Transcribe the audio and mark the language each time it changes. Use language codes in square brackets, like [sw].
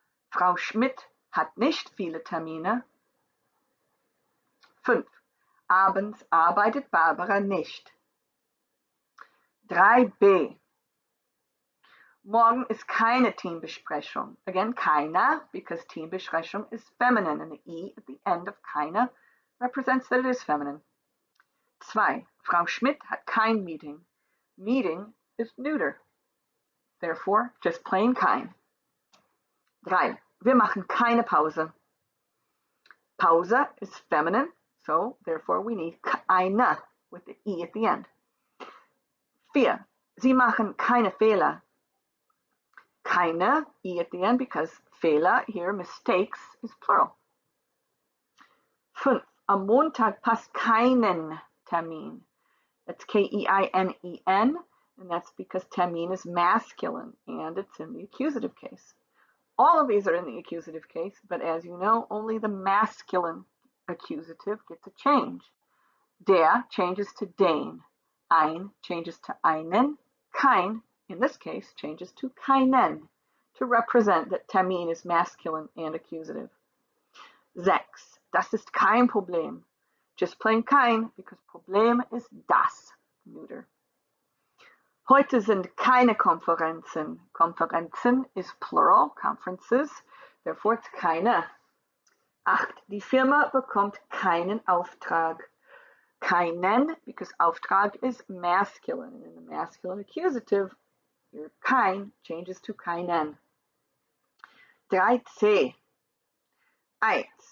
[de] Frau Schmidt hat nicht viele Termine. 5. Abends arbeitet Barbara nicht. 3b. Morgen ist keine Teambesprechung. [en] Again, keiner, because Teambesprechung is feminine. And the E at the end of keiner represents that it is feminine. 2. [de] Frau Schmidt hat kein Meeting. [en] Meeting is neuter. Therefore, just plain kein. 3. [de] Wir machen keine Pause. [en] Pause is feminine. So, therefore, we need keine with the E at the end. 4. [de] Sie machen keine Fehler. [en] Keine, E at the end, because Fehler, here, mistakes, is plural. 5. [de] Am Montag passt keinen Termin. [en] That's K-E-I-N-E-N, and that's because Termin is masculine, and it's in the accusative case. All of these are in the accusative case, but as you know, only the masculine accusative gets a change. Der changes to den. Ein changes to einen. Kein, in this case, changes to keinen, to represent that Termin is masculine and accusative. 6. [de] Das ist kein Problem. [en] Just plain kein, because Problem is das, neuter. [de] Heute sind keine Konferenzen. [en] Konferenzen is plural, conferences, therefore it's keine. 8. [de] Die Firma bekommt keinen Auftrag. [en] Keinen, because Auftrag is masculine. In the masculine accusative, your kein changes to keinen. 3c. 1.